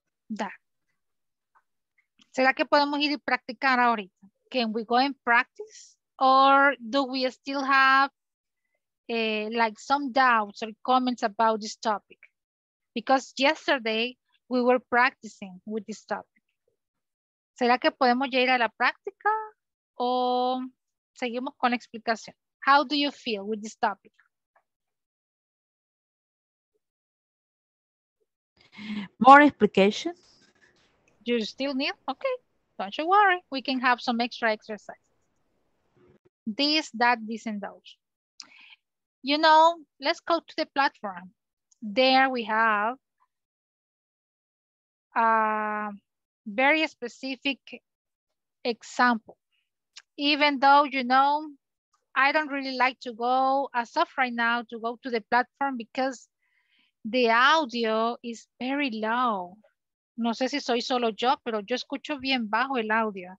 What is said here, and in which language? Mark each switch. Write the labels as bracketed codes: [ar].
[es] That. ¿Será que podemos ir y practicar ahorita? [en] Can we go and practice? Or do we still have like some doubts or comments about this topic? Because yesterday we were practicing with this topic. [es] ¿Será que podemos ya ir a la práctica? ¿O seguimos con la explicación? [en] How do you feel with this topic? More explications. You still need? Okay, don't you worry. We can have some extra exercise. This, that, this, and those. You know, let's go to the platform. There we have a very specific example. Even though, you know, I don't really like to go as of right now to go to the platform because the audio is very low. [es] No sé si soy solo yo, pero yo escucho bien bajo el audio.